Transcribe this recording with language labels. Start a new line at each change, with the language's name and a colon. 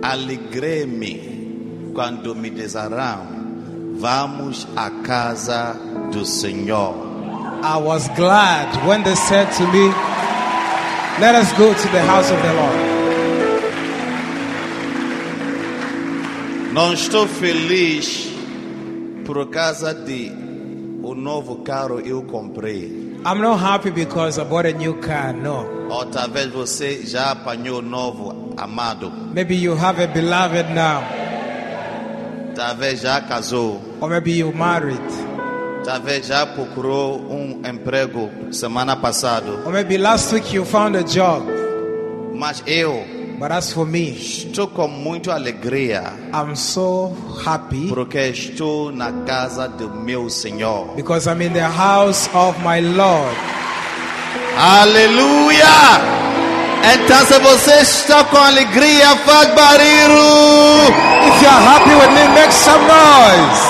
Portuguese: Alegrei-me quando me desarão, vamos à casa do Senhor.
English: I was glad when they said to me, let us go to the house of the Lord.
Portuguese: Não estou feliz por causa de o novo carro eu comprei.
English: I'm not happy because I bought a new car, no.
Portuguese: Ou talvez você já apanhou o novo amado.
English: Maybe you have a beloved now.
Portuguese: Talvez já casou.
English: Or maybe you married.
Portuguese: Talvez já procurou emprego semana passada.
English: Or maybe last week you found a job.
Portuguese: Mas eu...
English: But as for me,
Portuguese: estou com muita alegria.
English: I'm so happy
Portuguese: porque estou na casa do meu Senhor.
English: Because I'm in the house of my Lord.
Portuguese: Aleluia! Então se você está com alegria, faz barulho.
English: If you're happy with me, make some noise.